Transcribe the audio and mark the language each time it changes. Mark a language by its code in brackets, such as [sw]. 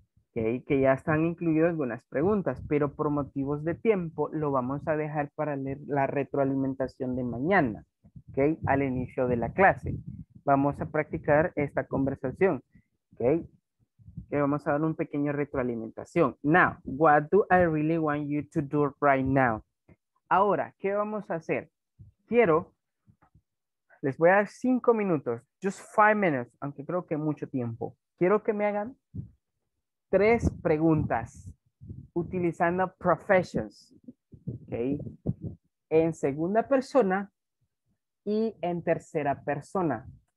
[es] Okay, que ya están incluidas algunas preguntas, pero por motivos de tiempo lo vamos a dejar para leer la retroalimentación de mañana, okay, al inicio de la clase. Vamos a practicar esta conversación, okay, que vamos a dar un pequeño retroalimentación. [en] Now, what do I really want you to do right now? [es] Ahora, ¿qué vamos a hacer? Quiero, les voy a dar 5 minutos, [en] just 5 minutes, [es] aunque creo que mucho tiempo. Quiero que me hagan 3 preguntas utilizando professions, okay, en segunda persona y en tercera persona.